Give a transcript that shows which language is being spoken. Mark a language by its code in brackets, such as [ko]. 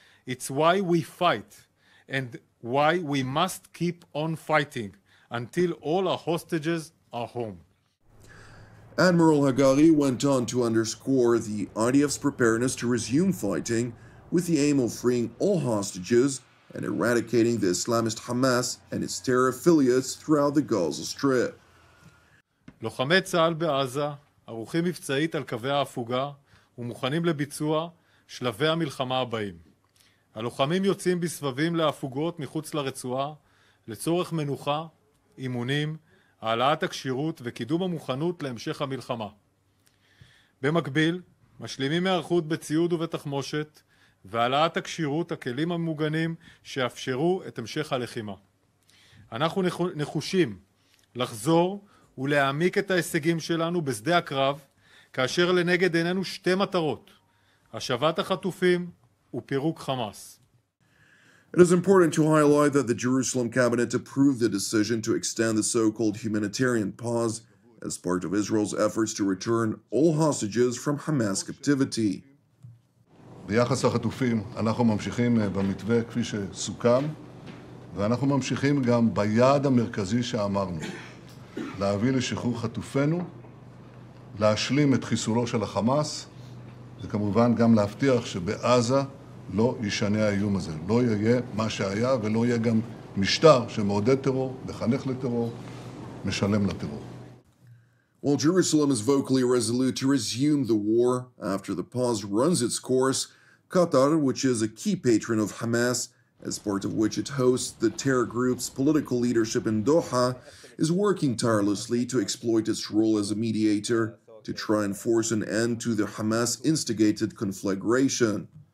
[en] It's why we fight and why we must keep on fighting until all our hostages are home. Admiral Hagari went on to underscore the IDF's preparedness to resume fighting with the aim of freeing all hostages and eradicating the Islamist Hamas and its terror affiliates throughout the Gaza Strip. [he] לוחמי צה"ל בעזה ערוכים מבצעית על קווי ההפוגה ומוכנים לביצוע שלבי המלחמה הבאים. הלוחמים יוצאים בסבבים להפוגות מחוץ לרצועה לצורך מנוחה, אימונים, העלאת הכשירות וקידום המוכנות להמשך המלחמה. במקביל, משלימים היערכות בציוד ובתחמושת והעלאת הקשירות הכלים המוגנים שאפשרו את המשך הלחימה. אנחנו נחושים לחזור ולהעמיק את ההישגים שלנו בשדה הקרב, כאשר לנגד עינינו שתי מטרות, השבת החטופים ופירוק חמאס. [en] It is important to highlight that the Jerusalem cabinet approved the decision to extend the so-called humanitarian pause as part of Israel's efforts to return all hostages from Hamas captivity. [he] ביחס החטופים, אנחנו ממשיכים במתווה כפי שסוכם, ואנחנו ממשיכים גם ביעד המרכזי שאמרנו, להביא לשחרור חטופינו, להשלים את חיסולו של החמאס, וכמובן גם להבטיח שבעזה לא ישנה האיום הזה, לא יהיה מה שהיה ולא יהיה גם משטר שמעודד טרור, מחנך לטרור, משלם לטרור. [en] While Jerusalem is vocally resolute to resume the war after the pause runs its course, Qatar, which is a key patron of Hamas, as part of which it hosts the terror group's political leadership in Doha, is working tirelessly to exploit its role as a mediator to try and force an end to the Hamas-instigated conflagration.